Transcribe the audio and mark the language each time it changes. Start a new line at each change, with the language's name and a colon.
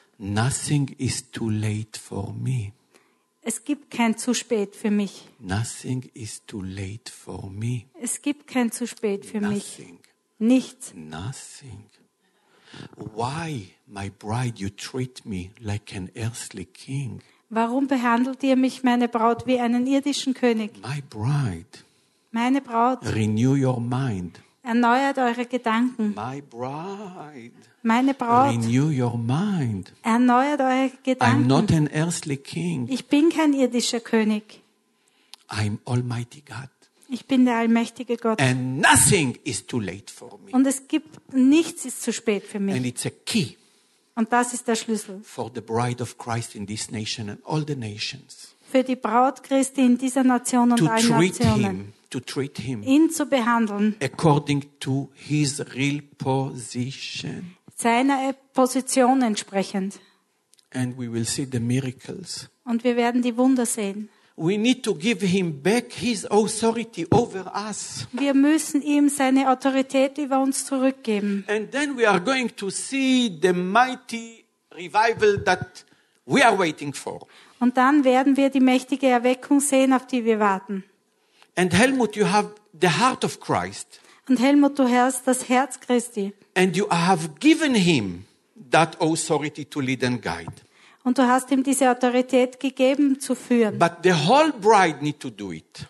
English: Nothing is too late for me.
German: Es gibt kein zu spät für mich.
English: Nothing is too late for me.
German: Es gibt kein zu spät für
English: Nothing.
German: Mich. Nichts.
English: Nothing. Why, my bride, you treat me like an earthly king?
German: Warum behandelt ihr mich, meine Braut, wie einen irdischen König?
English: My bride.
German: Meine Braut.
English: Renew your mind.
German: Erneuert eure Gedanken.
English: My bride.
German: Meine Braut.
English: Renew your mind.
German: Erneuert eure Gedanken.
English: I'm not an earthly king.
German: Ich bin kein irdischer König.
English: I'm Almighty God.
German: Ich bin der allmächtige Gott.
English: And nothing is too late for me.
German: Und es gibt nichts ist zu spät für mich.
English: And it's a key.
German: Und das ist der Schlüssel.
English: For the bride of Christ in this nation and all the nations.
German: Für die Braut Christi in dieser Nation und allen Nationen.
English: To treat him
German: ihn zu behandeln
English: according to his real position
German: seiner Position entsprechend
English: and we will see the miracles
German: und wir werden die Wunder sehen
English: we need to give him back his authority over us
German: wir müssen ihm seine Autorität über uns zurückgeben
English: and then we are going to see the mighty revival that we are waiting for
German: und dann werden wir die mächtige Erweckung sehen auf die wir warten.
English: And Helmut, you have the heart of Christ.
German: Und Helmut, du hast das Herz Christi.
English: And you have given him that authority to lead and guide.
German: Und du hast ihm diese Autorität gegeben zu führen.
English: But the whole bride need to do it.